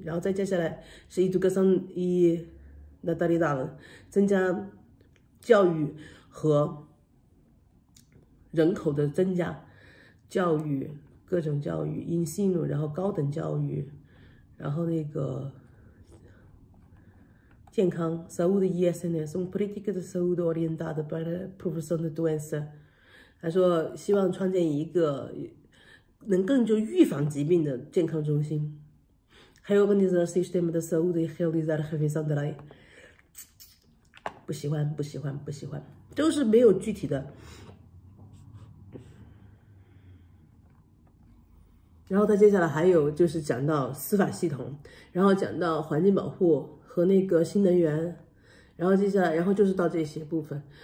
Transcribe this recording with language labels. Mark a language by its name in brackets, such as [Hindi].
[Chinese] 然后再接下来是 [Portuguese] educação e natalidade， [Chinese] 增加教育和人口的增加，教育各种教育 ensino，然后高等教育，然后那个健康 [Portuguese] saúde e SNS，são políticas de saúde orientadas para a prevenção de doença。 [Chinese] 他说："希望创建一个能更就预防疾病的健康中心。 [Portuguese] "Reorganizar o sistema de saúde e realizar a revisão da lei。 [Chinese] 不喜欢，不喜欢，不喜欢，都是没有具体的。然后他接下来还有就是讲到司法系统，然后讲到环境保护和那个新能源，然后接下来，然后就是到这些部分。